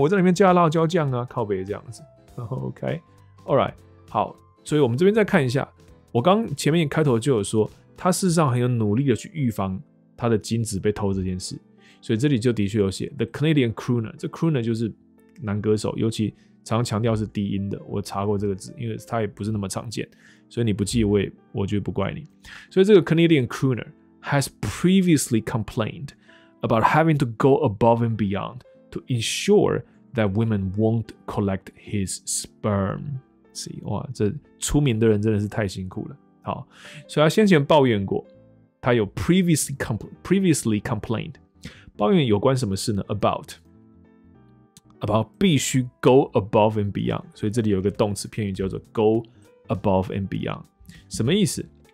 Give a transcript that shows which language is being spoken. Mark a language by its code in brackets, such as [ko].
[zh] 我在里面加辣椒酱啊，靠北这样子 ，OK，All right， 好，所以我们这边再看一下，我刚前面开头就有说，他事实上很有努力的去预防他的精子被偷这件事，所以这里就的确有写 [en] the Canadian crooner， [zh] 这 crooner 就是男歌手，尤其。常常强调是低音的，我查过这个字，因为它也不是那么常见，所以你不记我就不怪你。所以这个 [en] Canadian crooner has previously complained about having to go above and beyond to ensure that women won't collect his sperm. [zh] See, 哇，这出名的人真的是太辛苦了。好，所以他先前抱怨过，他有 [en] previously complained， [zh] 抱怨有关什么事呢 About 必须 [en] go above and beyond， [zh] 所以这里有一个动词片语叫做 go above and beyond， 什么意思？